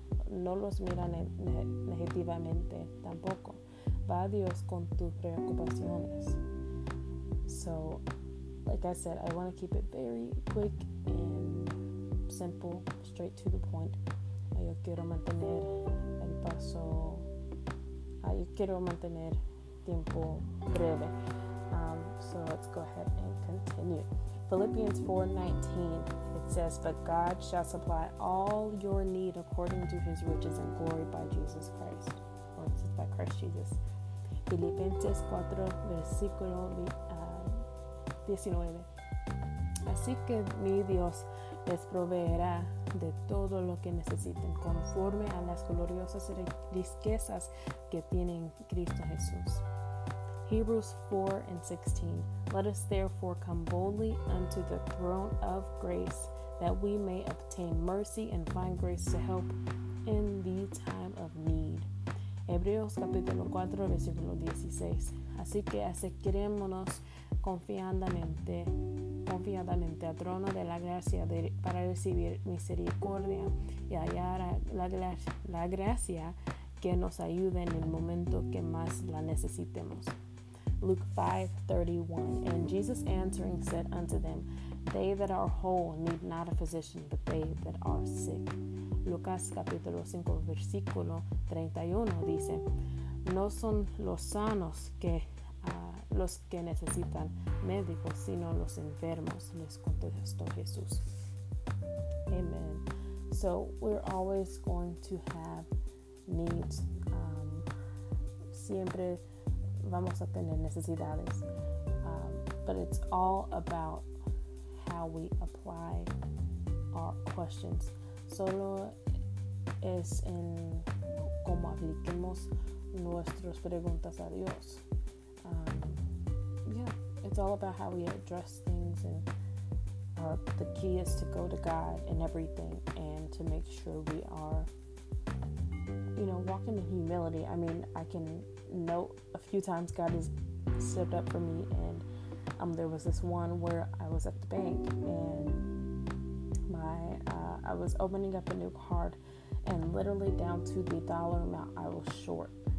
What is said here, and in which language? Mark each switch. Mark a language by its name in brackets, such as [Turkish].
[Spanish] No los mira negativamente tampoco. Va Dios con tus preocupaciones. [English] So, like I said, I want to keep it very quick and simple, straight to the point. [Spanish] Yo quiero mantener el paso. Yo quiero mantener tiempo breve. [English] So let's go ahead and continue. Philippians 4:19, it says, but God shall supply all your need according to his riches and glory by Jesus Christ. Or is it by Christ Jesus? [Spanish] Filipenses 4, versículo 19. Así que mi Dios les proveerá de todo lo que necesiten conforme a las gloriosas riquezas que tienen Cristo Jesús. [English] Hebrews 4:16. Let us therefore come boldly unto the throne of grace, that we may obtain mercy and find grace to help in the time of need. [Spanish] Hebreos capítulo 4, versículo 16. Así que acerquémonos confiadamente al trono de la gracia para recibir misericordia y hallar la gracia que nos ayude en el momento que más la necesitemos. [English] Luke 5:31, and Jesus answering said unto them, they that are whole need not a physician, but they that are sick. [Spanish] Lucas capítulo 5, versículo 31 dice, no son los sanos que los que necesitan médicos, sino los enfermos, les contestó Jesús. [English] Amen. So we're always going to have needs. [Spanish] Siempre vamos a tener necesidades, [English] but it's all about how we apply our questions. [Spanish] Solo es en cómo apliquemos nuestras preguntas a Dios. [English] Yeah, it's all about how we address things and The key is to go to God in everything and to make sure we are, you know, walking in humility. I mean, I can note a few times God has stepped up for me, and there was this one where I was at the bank and I was opening up a new card, and literally down to the dollar amount I was short.